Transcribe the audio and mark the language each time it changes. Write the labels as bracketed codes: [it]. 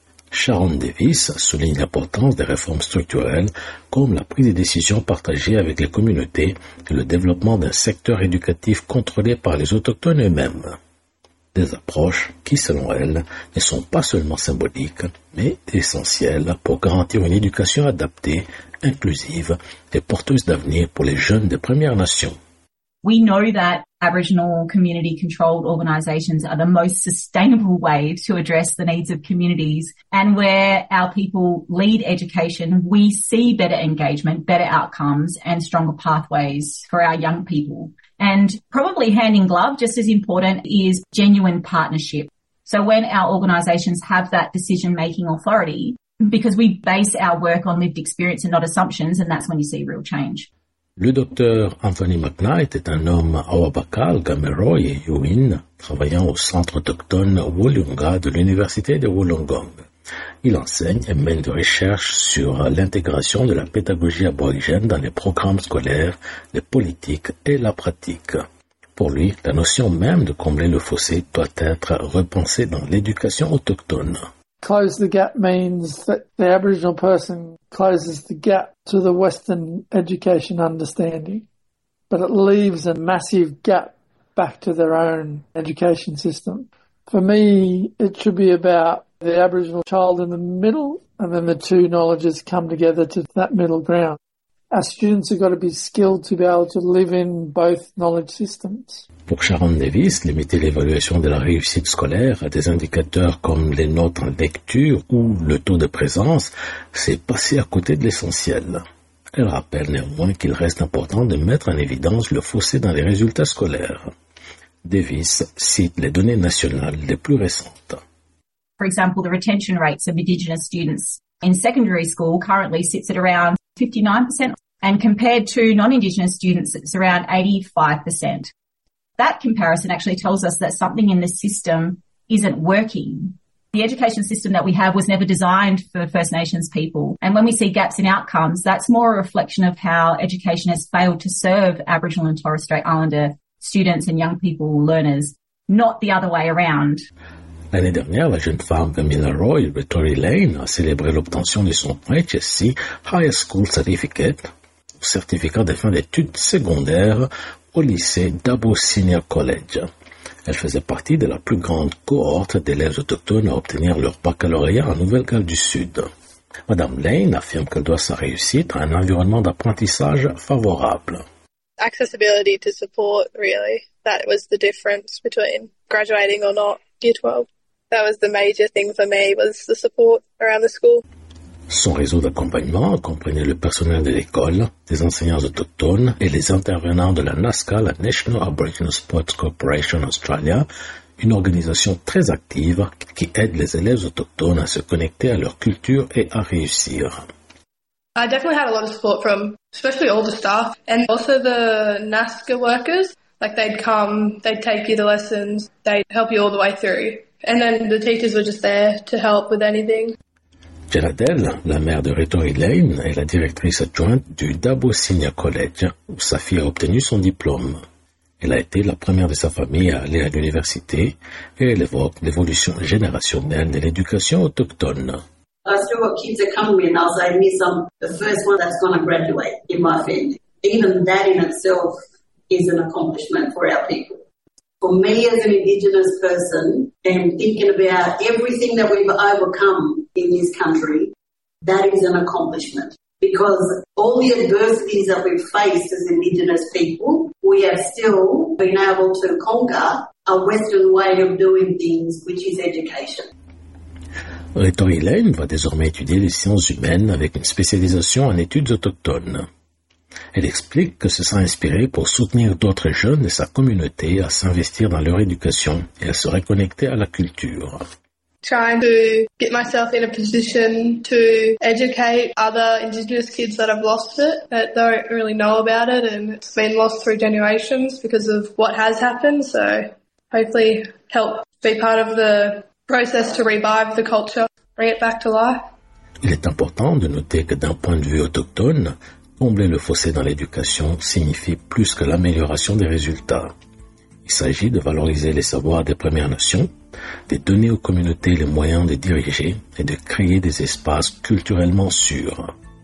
[fr] Sharon Davis souligne l'importance des réformes structurelles comme la prise de décisions partagées avec les communautés et le développement d'un secteur éducatif contrôlé par les autochtones eux-mêmes. des approches qui, selon elle, ne sont pas seulement symboliques, mais essentielles pour garantir une éducation adaptée, inclusive et porteuse d'avenir pour les jeunes des Premières Nations. [en] We know that Aboriginal community controlled organizations are the most sustainable way to address the needs of communities. And where our people lead education, we see better engagement, better outcomes, and stronger pathways for our young people. And probably hand in glove, just as important, is genuine partnership. So when our organizations have that decision-making authority, because we base our work on lived experience and not assumptions, and that's when you see real change. [fr] Le docteur Anthony McKnight est un homme Awabakal, Gameroi et Yuin, travaillant au centre autochtone Wollonga de l'Université de Wollongong. Il enseigne et mène des recherches sur l'intégration de la pédagogie aborigène dans les programmes scolaires, les politiques et la pratique. Pour lui, la notion même de combler le fossé doit être repensée dans l'éducation autochtone. [en] Close the gap means that the Aboriginal person closes the gap to the Western education understanding, but it leaves a massive gap back to their own education system. For me, it should be about the Aboriginal child in the middle, and then the two knowledges come together to that middle ground. Our students have got to be skilled to be able to live in both knowledge systems. [fr] Pour Sharon Davis, limiter l'évaluation de la réussite scolaire à des indicateurs comme les notes en lecture ou le taux de présence, c'est passer à côté de l'essentiel. Elle rappelle néanmoins qu'il reste important de mettre en évidence le fossé dans les résultats scolaires. Davis cite les données nationales les plus récentes. [en] For example, the retention rates of Indigenous students in secondary school currently sits at around 59%, and compared to non-Indigenous students, it's around 85%. That comparison actually tells us that something in the system isn't working. The education system that we have was never designed for First Nations people. And when we see gaps in outcomes, that's more a reflection of how education has failed to serve Aboriginal and Torres Strait Islander students and young people learners, not the other way around. [fr] L'année dernière, la jeune femme Camilla Roy, Rotary Lane, a célébré l'obtention de son HSC, High School Certificate, certificat de fin d'études secondaires, au lycée Dabo Senior College. Elle faisait partie de la plus grande cohorte d'élèves autochtones à obtenir leur baccalauréat en Nouvelle-Galles du Sud. Madame Lane affirme qu'elle doit sa réussite à un environnement d'apprentissage favorable. [en] Accessibility to support, really. That was the difference between graduating or not. Year 12. That was the major thing for me, was the support around the school. [fr] Son réseau d'accompagnement comprenait le personnel de l'école, des enseignants autochtones et les intervenants de la NASCA, la National Aboriginal Sports Corporation Australia, une organisation très active qui aide les élèves autochtones à se connecter à leur culture et à réussir. [en] I definitely had a lot of support from especially all the staff and also the NASCA workers. Like they'd come, they'd take you the lessons, they'd help you all the way through. And then the teachers were just there to help with anything. [fr] Jenna Dell, la mère de Rotary Lane, est la directrice adjointe du Dabo Senior College, où sa fille a obtenu son diplôme. Elle a été la première de sa famille à aller à l'université et elle évoque l'évolution générationnelle de l'éducation autochtone. [en] I still got kids that come to me and I'll say, Miss, I'm the first one that's going to graduate in my family. Even that in itself is an accomplishment for our people. For me as an Indigenous person, and thinking about everything that we've overcome in this country, that is an accomplishment. Because all the adversities that we've faced as Indigenous people, we have still been able to conquer a Western way of doing things, which is education. [fr] Rotary Lane va désormais étudier les sciences humaines avec une spécialisation en études autochtones. Elle explique que se sent inspirée pour soutenir d'autres jeunes de sa communauté à s'investir dans leur éducation et à se reconnecter à la culture. [en] Trying to get myself in a position to educate other Indigenous kids that have lost it, that don't really know about it, and it's been lost through generations because of what has happened. So hopefully help be part of the process to revive the culture, bring it back to life. [fr] Il est important de noter que d'un point de vue autochtone, combler le fossé dans l'éducation signifie plus que l'amélioration des résultats. Il s'agit de valoriser les savoirs des Premières Nations, de donner aux communautés les moyens de diriger et de créer des espaces culturellement sûrs.